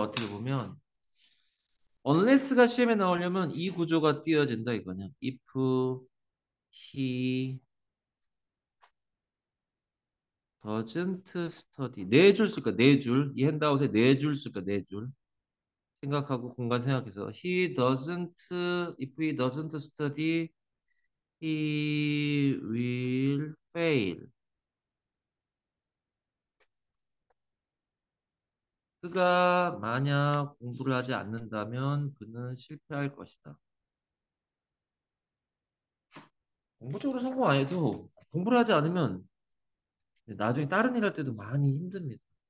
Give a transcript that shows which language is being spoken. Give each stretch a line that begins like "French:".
Korean: 어떻게 보면 unless가 시험에 나오려면 이 구조가 띄어진다 이거냐.
English: if he doesn't study.
Korean: 네줄 쓸까? 네 줄. 이 핸드아웃에 네줄 쓸까? 네 줄. 생각하고 공간 생각해서.
English: He doesn't, if he doesn't study, he will fail.
Korean: 그가 만약 공부를 하지 않는다면 그는 실패할 것이다. 공부적으로 성공 안 해도 공부를 하지 않으면 나중에 다른 일할 때도 많이 힘듭니다.